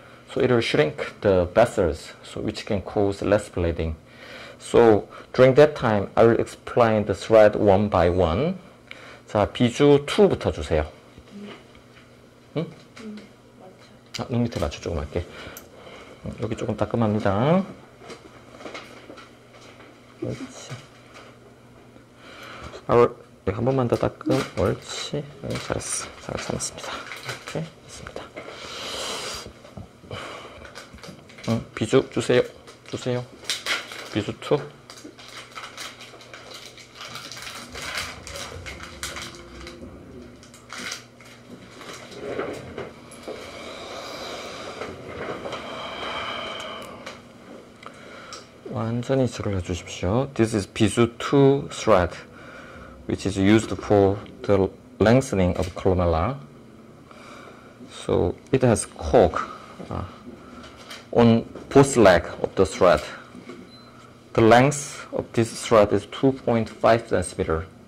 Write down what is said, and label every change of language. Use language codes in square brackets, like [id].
[en] So it will shrink the vessels, so which can cause less bleeding. So during that time, I will explain the thread one by one. [ko] 자, 비주 2부터 주세요. 응? 아, 눈 밑에 맞춰 조금 할게. 여기 조금 따끔합니다. 옳지. Our, 네, 한 번만 더 따끔. 옳지. 네, 잘했어. 잘 참았습니다. 이렇게 있습니다. 비주 주세요. 주세요. 비주 2. 완전히 지루를 해주십시오. [en] This is PDO PLACL thread, which is used for the lengthening of columellar. So it has cork on both leg of the thread. The length of this thread is 2.5 cm.